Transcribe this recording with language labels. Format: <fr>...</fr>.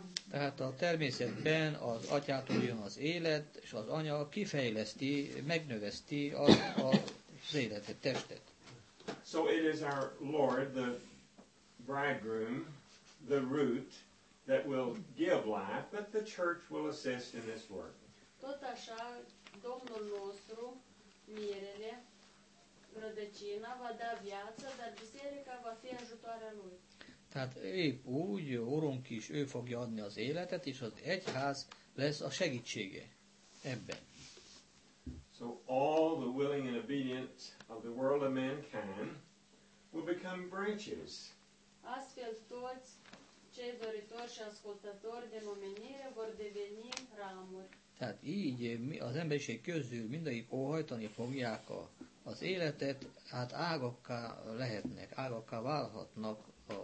<hu>Tehát a természetben az atyától jön az élet, és az anya kifejleszti, megnöveszti az életet, testet.</hu> <en>So it is our Lord, the bridegroom, the root, that will give life, but the church will assist in this work.</en> <ro>Tot așa, Domnul nostru, mierele, rădăcina, va da viață, dar biserica va fi ajutoarea lui.</ro> <hu>Tehát épp úgy, Urunk is, ő fogja adni az életet, és az egyház lesz a segítsége ebben.</hu> <en>So all the willing and obedient of the world of mankind will become branches.</en> <ro>Astfel toți cei doritori și ascultători din omenire vor deveni ramuri.</ro> <hu>Tehát így az emberiség közül mindegyik óhajtani fogják az életet, hát ágakká lehetnek, ágakká válhatnak.</hu>